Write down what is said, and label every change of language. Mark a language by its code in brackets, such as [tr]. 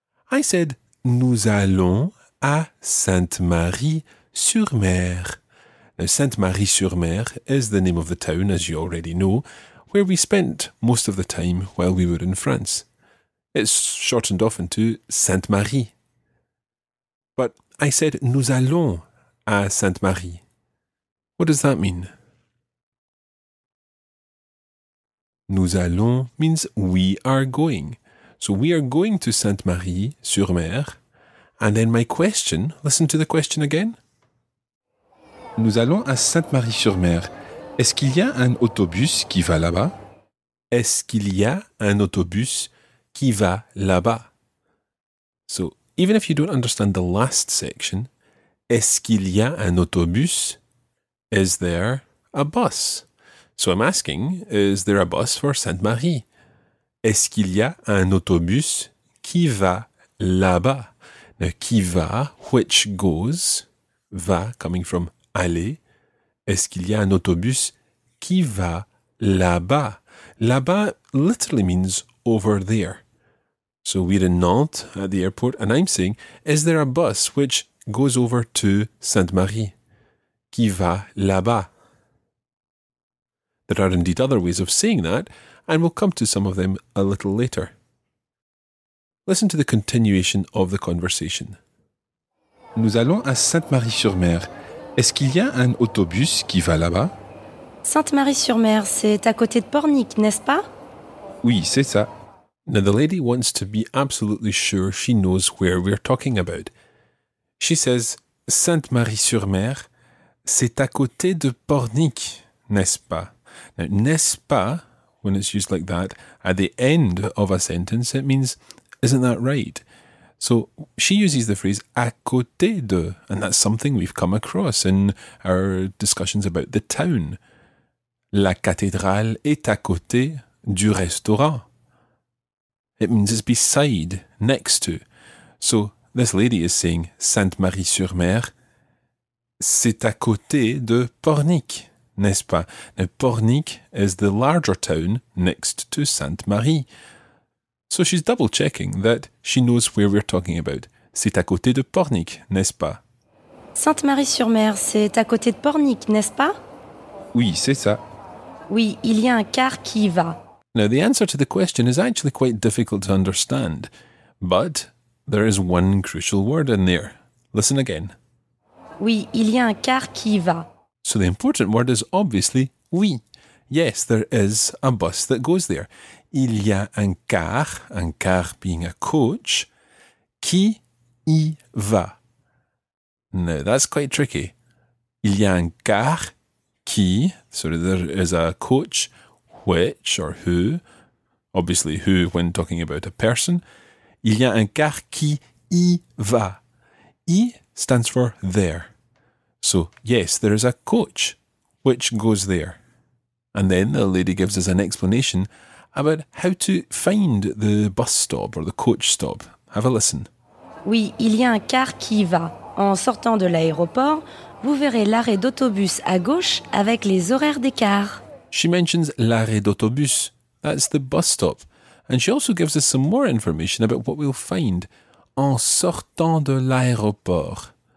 [en] I said, [fr] nous allons à Sainte-Marie-sur-Mer. [en] Now, Sainte-Marie-sur-Mer is the name of the town, as you already know, where we spent most of the time while we were in France. It's shortened often to Sainte-Marie. But I said [fr] nous allons à Sainte-Marie. [en] What does that mean? [fr] Nous allons [en] means we are going. So we are going to Sainte-Marie-sur-Mer. And then my question, listen to the question again. [fr] Nous allons à Sainte-Marie-sur-Mer. Est-ce qu'il y a un autobus qui va là-bas? Est-ce qu'il y a un autobus qui va là-bas? [en] So, even if you don't understand the last section, [fr] est-ce qu'il y a un autobus? [en] Is there a bus? So I'm asking, is there a bus for Sainte-Marie? [fr] Est-ce qu'il y a un autobus qui va là-bas? [en] Now, [fr] qui va, [en] which goes, va, coming from aller. [fr] Est-ce qu'il y a un autobus qui va là-bas? Là-bas [en] literally means over there. So we're in Nantes at the airport and I'm saying, is there a bus which goes over to Sainte-Marie? [fr] Qui va là-bas? [en] There are indeed other ways of saying that, and we'll come to some of them a little later. Listen to the continuation of the conversation. [fr] Nous allons à Sainte-Marie-sur-Mer. Est-ce qu'il y a un autobus qui va là-bas? Sainte-Marie-sur-Mer, c'est à côté de Pornic, n'est-ce pas? Oui, c'est ça. [en] Now the lady wants to be absolutely sure she knows where we're talking about. She says, [fr] Sainte-Marie-sur-Mer, c'est à côté de Pornic, n'est-ce pas? [en] Now, [fr] n'est-ce pas, [en] when it's used like that, at the end of a sentence, it means, isn't that right? So she uses the phrase [fr] à côté de, [en] and that's something we've come across in our discussions about the town. [fr] La cathédrale est à côté du restaurant. [en] It means it's beside, next to. So this lady is saying [fr] Sainte-Marie-sur-Mer, c'est à côté de Pornic, n'est-ce pas? [en] Now, Pornic is the larger town next to Sainte-Marie. So she's double-checking that she knows where we're talking about. [fr] C'est à côté de Pornic, n'est-ce pas? Sainte-Marie-sur-Mer, c'est à côté de Pornic, n'est-ce pas? Oui, c'est ça. Oui, il y a un car qui va. [en] Now, the answer to the question is actually quite difficult to understand. But there is one crucial word in there. Listen again. [fr] Oui, il y a un car qui va. [en] So the important word is obviously oui. Yes, there is a bus that goes there. [fr] Il y a un car [en] being a coach, [fr] qui y va. [en] Now, that's quite tricky. [fr] Il y a un car qui, [en] so there is a coach, which or who, obviously who when talking about a person. [fr] Il y a un car qui y va. Y [en] stands for there. So, yes, there is a coach which goes there. And then the lady gives us an explanation about how to find the bus stop or the coach stop. Have a listen. [fr] Oui, il y a un car qui va. En sortant de l'aéroport, vous verrez l'arrêt d'autobus à gauche avec les horaires des cars. [en] She mentions [fr] l'arrêt d'autobus. [en] That's the bus stop. And she also gives us some more information about what we'll find [fr] en sortant de l'aéroport.